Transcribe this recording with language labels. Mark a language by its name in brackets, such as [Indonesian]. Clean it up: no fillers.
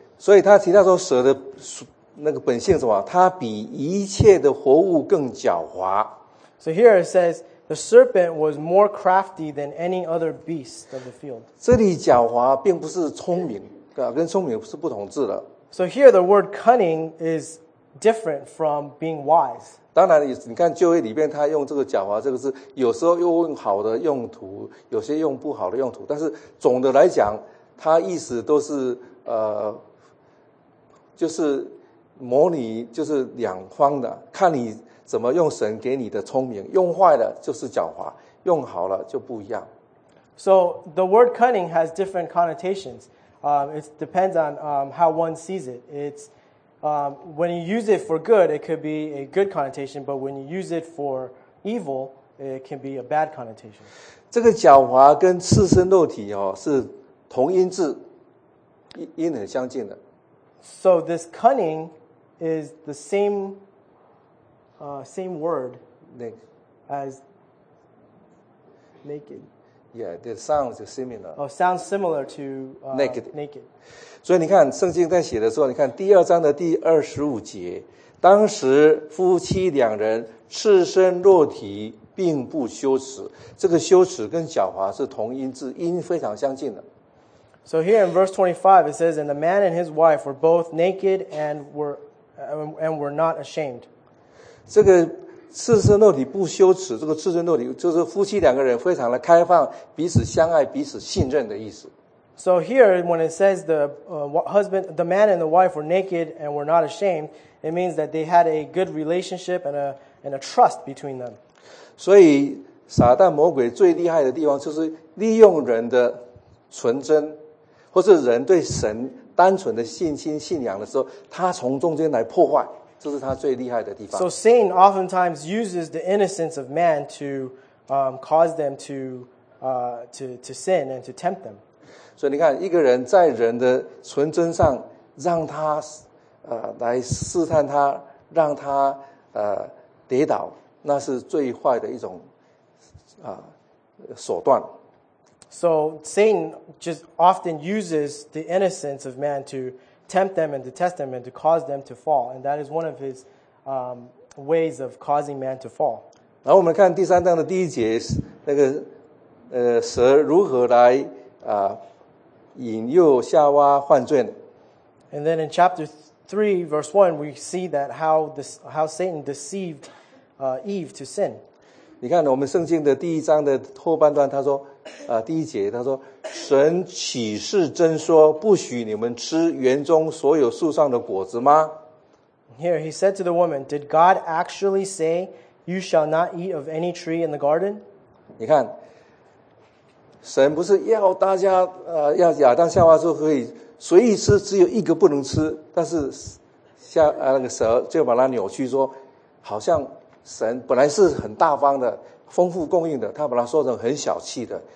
[Chinese] 所以他提到说蛇的那个本性是什么？它比一切的活物更狡猾。 [English] So here it says the serpent was more crafty than any other beast of the field. [Chinese] 这里狡猾并不是聪明。跟聪明是不同字的。 [English] So here the word cunning is different from being wise. [Chinese] 当然你看旧约里面他用这个狡猾这个字，有时候又用好的用途，有些用不好的用途，但是总的来讲他意思都是就是模拟，就是两方的，看你怎么用神给你的聪明，用坏了就是狡猾，用好了就不一样。 [English] So the word cunning has different connotations. It depends on how one sees it. It's, when you use it for good, it could be a good connotation, but when you use it for evil, it can be a bad connotation. [Chinese] 这个狡猾跟赤身肉体、哦、是同音字 音很相近的。 [English] So this cunning is the same, same word as naked. Yeah, the sounds are similar. Oh, sounds similar to naked. Naked. [Chinese] 所以你看圣经在写的时候，你看第二章的第二十五节，当时夫妻两人赤身裸体，并不羞耻。这个羞耻跟狡猾是同音字，音非常相近的。 [English] So here in verse 25, it says, "And the man and his wife were both naked and were not ashamed." [Chinese] 这个赤身肉体不羞耻，这个赤身肉体就是夫妻两个人非常的开放，彼此相爱，彼此信任的意思。 [English] So here, when it says the husband, the man and the wife were naked and were not ashamed, it means that they had a good relationship and a trust between them. [Chinese] 所以撒旦魔鬼最厉害的地方就是利用人的纯真，或是人对神单纯的信心信仰的时候，他从中间来破坏。这是他最厉害的地方。 [English] So Satan oftentimes uses the innocence of man to cause them to sin and to tempt them. [Chinese] 所以你看，一个人在人的纯真上，让他来试探他，让他跌倒，那是最坏的一种手段。 [English] So Satan just often uses the innocence of man to. Tempt them and to test them and to cause them to fall, and that is one of his ways of causing man to fall. [Chinese] 然后我们看第三章的第一节，那个蛇如何来引诱夏娃犯罪呢？ [English] And then in chapter 3, verse 1, we see that how Satan deceived Eve to sin. [Chinese] 你看我们圣经的第一章的后半段，他说。第一节他说神岂是真说不许你们吃园中所有树上的果子吗？ [English] Here he said to the woman, did God actually say you shall not eat of any tree in the garden? [Chinese] 你看神不是要大家要亚当夏娃说可以随意吃，只有一个不能吃，但是那个蛇就把它扭曲，说好像神本来是很大方的丰富供应的，他把它说成很小气的。